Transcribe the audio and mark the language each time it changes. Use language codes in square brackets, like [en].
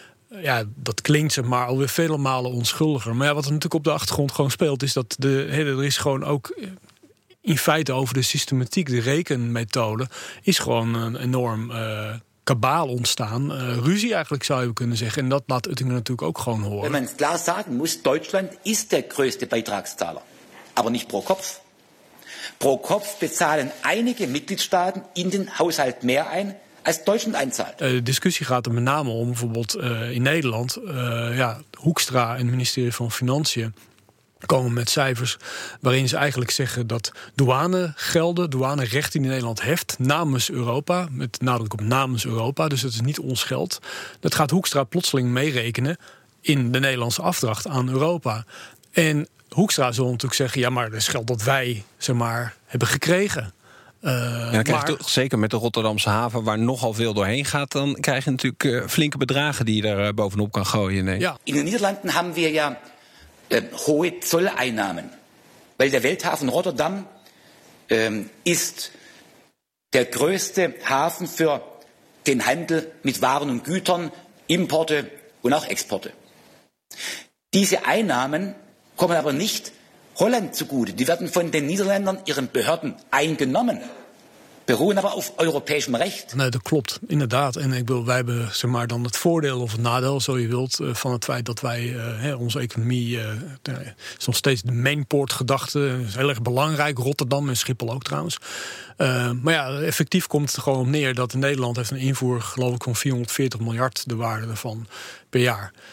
[nl] Ja, dat klinkt zeg maar alweer vele malen onschuldiger. Maar ja, wat er natuurlijk op de achtergrond gewoon speelt, is dat er is gewoon ook in feite over de systematiek, de rekenmethode, is gewoon een enorm kabaal ontstaan. Ruzie eigenlijk zou je kunnen zeggen. En dat laat Oettinger natuurlijk ook gewoon horen. [de] Wenn man es klar sagen muss, Deutschland ist der größte Beitragszahler. Aber nicht pro Kopf. Pro Kopf bezahlen einige Mitgliedstaaten in den Haushalt mehr ein als Deutschland einzahlt. [nl] De discussie gaat er met name om, bijvoorbeeld in Nederland. Hoekstra en het ministerie van Financiën komen met cijfers waarin ze eigenlijk zeggen dat douanerecht in Nederland heft namens Europa, met nadruk op namens Europa, dus het is niet ons geld. Dat gaat Hoekstra plotseling meerekenen in de Nederlandse afdracht aan Europa. En Hoekstra zal natuurlijk zeggen, ja, maar dat is geld dat wij, zeg maar, hebben gekregen. Zeker met de Rotterdamse haven, waar nogal veel doorheen gaat, dan krijg je natuurlijk flinke bedragen die je daar bovenop kan gooien. Nee. Ja. In de Nederlanden hebben we [de] ja hohe Zolleinnahmen, weil der Welthafen Rotterdam ist der größte Hafen für den Handel mit Waren und Gütern, Importe und auch Exporte. Diese Einnahmen kommen aber nicht Holland zugute. Die werden von den Niederländern ihren Behörden eingenommen. Beruhen aber auf europäischem Recht. [nl] Nee, dat klopt, inderdaad. En ik wil, wij hebben zeg maar, dan het voordeel of het nadeel, zo je wilt, van het feit dat wij onze economie. Is nog steeds de mainport-gedachte. Is heel erg belangrijk, Rotterdam en Schiphol ook trouwens. Maar ja, effectief komt het er gewoon op neer dat in Nederland heeft een invoer, geloof ik, van 440 miljard de waarde ervan per jaar.